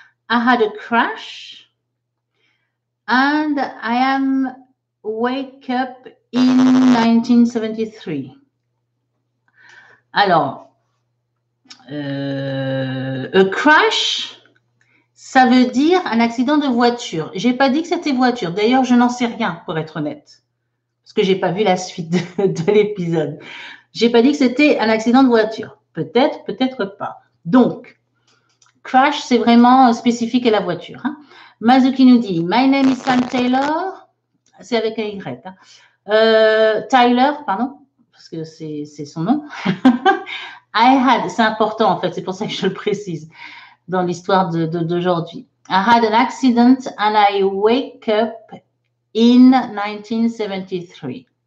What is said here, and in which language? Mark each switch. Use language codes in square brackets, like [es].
[en] I had a crash and I am wake up in 1973. [fr] Alors, a crash, ça veut dire un accident de voiture. J'ai pas dit que c'était voiture. D'ailleurs, je n'en sais rien, pour être honnête. Parce que j'ai pas vu la suite de l'épisode. J'ai pas dit que c'était un accident de voiture. Peut-être, peut-être pas. Donc, crash, c'est vraiment spécifique à la voiture, hein. Mazuki nous dit, [en] My name is Sam Taylor. [fr] C'est avec un Y. Hein. Tyler, pardon. Parce que c'est son nom. C'est important en fait, c'est pour ça que je le précise dans l'histoire d'aujourd'hui. [en] I had an accident and I wake up in 1973.